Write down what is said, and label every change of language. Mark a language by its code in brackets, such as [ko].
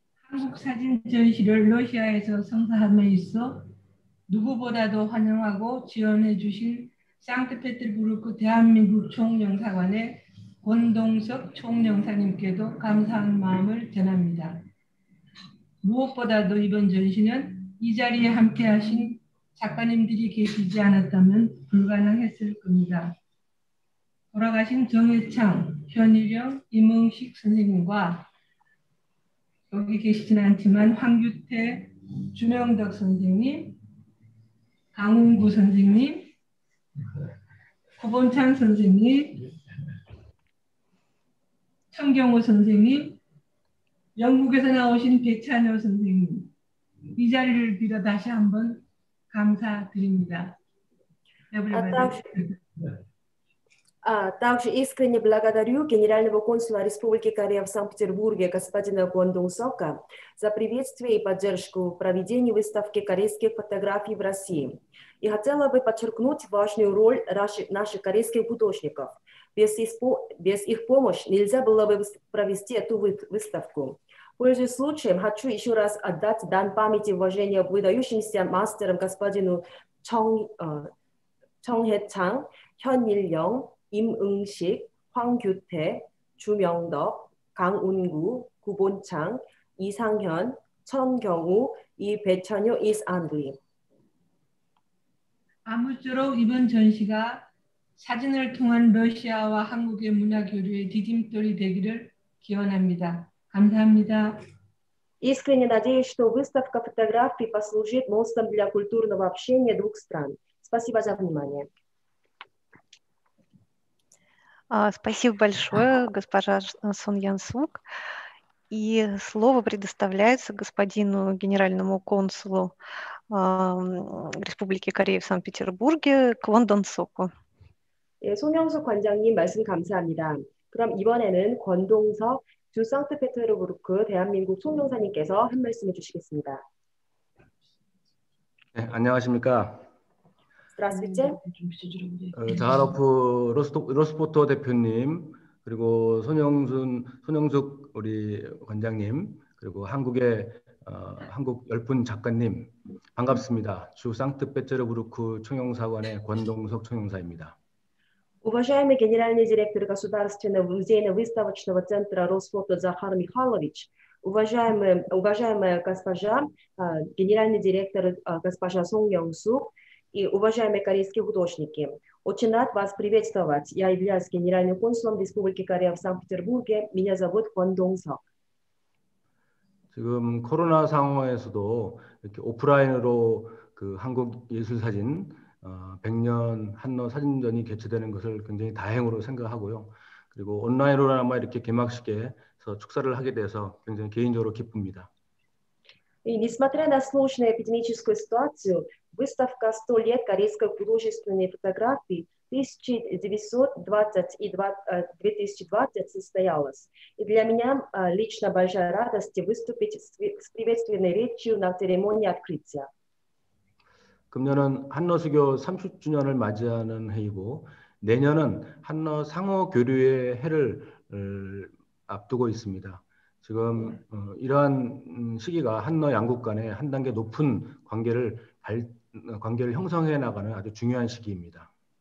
[ko] 한국 사진 전시를 러시아에서 성사함에 있어 누구보다도 환영하고 지원해주신 상트페테르부르크 대한민국 총영사관의 권동석 총영사님께도 감사한 마음을 전합니다. 무엇보다도 이번 전시는 이 자리에 함께하신 작가님들이 계시지 않았다면 불가능했을 겁니다. 돌아가신 정회창, 현일영, 임응식 선생님과 여기 계시진 않지만 황규태, 주명덕 선생님, 강웅구 선생님, 코본찬 선생님, 천경호 선생님, 영국에서 나오신 배찬호 선생님, 이 자리를 빌어 다시 한번 감사드립니다. [en] Everybody. [ru] 아, также искренне благодарю Генерального консула Республики Корея в Санкт-Петербурге господина Гондунсока за приветствие и поддержку проведения выставки корейских фотографий в России. И хотела бы подчеркнуть важную роль наших корейских художников. Без их помощи нельзя было бы провести эту выставку. Пользуясь случаем, хочу еще раз отдать дань памяти и уважения выдающимся мастерам господину Чонгхэчан, Хёнильон, 임응식, 황규태, 주명덕, 강운구, 구본창, 이상현, 천경우, 이배천효 [en] is ugly. [ko] 아무쪼록 이번 전시가 사진을 통한 러시아와 한국의 문화 교류의 디딤돌이 되기를 기원합니다. 감사합니다. [ru] Искренне надеюсь, что выставка фотографий послужит мостом для культурного общения двух стран. Спасибо за внимание. Спасибо большое, госпожа Сон Янсук. И слово предоставляется господину генеральному консулу Республики Корея в Санкт-Петербурге Квон Дон Соку. [ko] 예, 송영숙 관장님 말씀 감사합니다. 그럼 이번에는 권동석 주 상트페테르부르크 대한민국 총영사님께서 한 말씀해 주시겠습니다. 네, 안녕하십니까? [ru] 스트라스비체. [ko] 자하로프 로스포터 대표님, 그리고 손영숙 우리 관장님, 그리고 한국 10분 작가님, 반갑습니다. 주 상트페테르부르크 총영사관의 권동석 총영사입니다. [ru] Уважаемый генеральный директор Государственного музейного выставочного центра Росфото Захар Михайлович, уважаемая госпожа, генеральный директор госпожа Сонг Йонг-сук и уважаемые корейские художники, очень рад вас приветствовать. Я являюсь генеральным консулом Республики Корея в Санкт-Петербурге. Меня зовут Кон Дон-сок. [ko] 지금 코로나 상황에서도 이렇게 오프라인으로 그 한국 예술 사진 100년 한너 사진전이 개최되는 것을 굉장히 다행으로 생각하고요. 그리고 온라인으로나마 이렇게 개막식에 축사를 하게 돼서 굉장히 개인적으로 기쁩니다. [ru] И несмотря на сложную эпидемическую ситуацию, выставка 100 лет корейской художественной фотографии 1920 и 2020 состоялась. И для меня лично большая радость выступить с приветственной речью на церемонии открытия. [ko] 금년은 한너 수교 30주년을 맞이하는 해이고 내년은 한너 상호 교류의 해를 앞두고 있습니다. 지금 이러한 시기가 한너 양국 간의 한 단계 높은 관계를 형성해 나가는 아주 중요한 시기입니다.